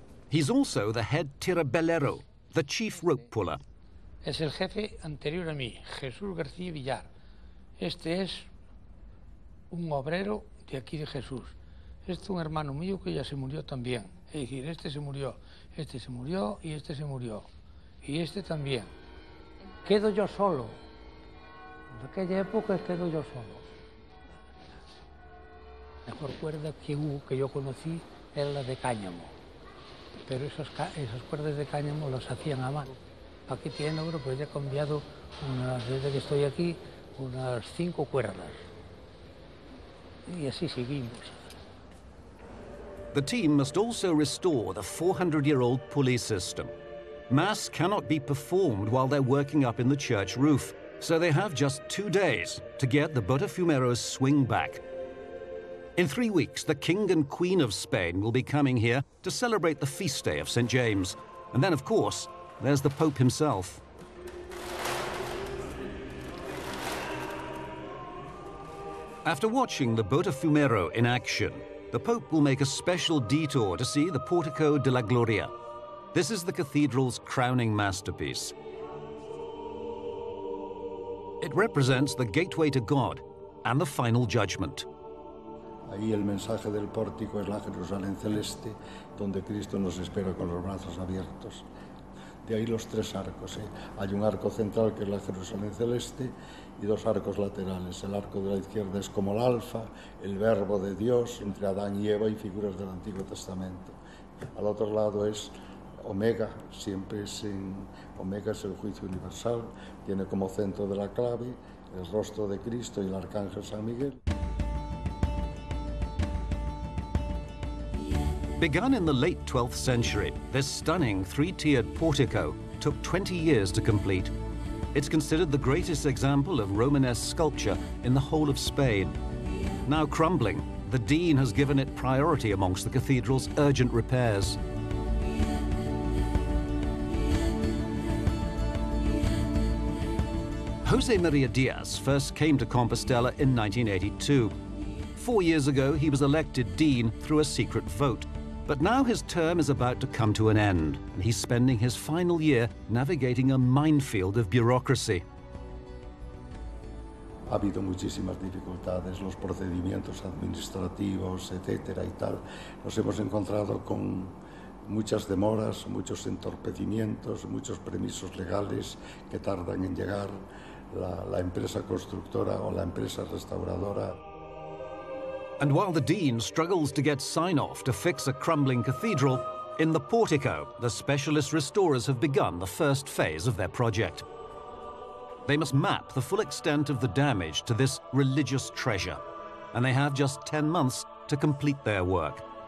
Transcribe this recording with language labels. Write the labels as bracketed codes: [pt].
[en] He's also the head tirabelero, the chief rope puller. [es] Es el jefe anterior a mí, Jesús García Villar. Este es un obrero de aquí de Jesús. Este es un hermano mío que ya se murió también. Es decir, este se murió y este se murió. Y este también. Quedo yo solo. De aquella época quedo yo solo. Mejor cuerda que hubo, que yo conocí, era la de cáñamo. Pero esas cuerdas de cáñamo las hacían a mano, aquí tiene, bueno, pues ya he cambiado, desde que estoy aquí, unas 5 cuerdas. Y así seguimos. [en] The team must also restore the 400-year-old pulley system. Mass cannot be performed while they're working up in the church roof, so they have just 2 days to get the Botafumeiro's swing back. In 3 weeks, the King and Queen of Spain will be coming here to celebrate the feast day of St. James. And then, of course, there's the Pope himself. After watching the Botafumeiro in action, the Pope will make a special detour to see the Portico de la Gloria. This is the cathedral's crowning masterpiece. It represents the gateway to God and the final judgment. [es] Ahí el mensaje del pórtico es la Jerusalén celeste, donde Cristo nos espera con los brazos abiertos. De ahí los tres arcos, ¿eh? Hay un arco central que es la Jerusalén celeste y dos arcos laterales. El arco de la izquierda es como el Alfa, el Verbo de Dios entre Adán y Eva y figuras del Antiguo Testamento. Al otro lado es Omega, siempre es en Omega, es el juicio universal. Tiene como centro de la clave el rostro de Cristo y el arcángel San Miguel. [en] Begun in the late 12th century, this stunning three-tiered portico took 20 years to complete. It's considered the greatest example of Romanesque sculpture in the whole of Spain. Now crumbling, the dean has given it priority amongst the cathedral's urgent repairs. José María Díaz first came to Compostela in 1982. 4 years ago, he was elected dean through a secret vote. But now his term is about to come to an end, and he's spending his final year navigating a minefield of bureaucracy. [es] Ha habido muchísimas dificultades, los procedimientos administrativos, etcétera y tal. Nos hemos encontrado con muchas demoras, muchos entorpecimientos, muchos permisos legales que tardan en llegar la empresa constructora o la empresa restauradora. [en] And while the dean struggles to get sign-off to fix a crumbling cathedral, in the portico, the specialist restorers have begun the first phase of their project. They must map the full extent of the damage to this religious treasure, and they have just 10 months to complete their work.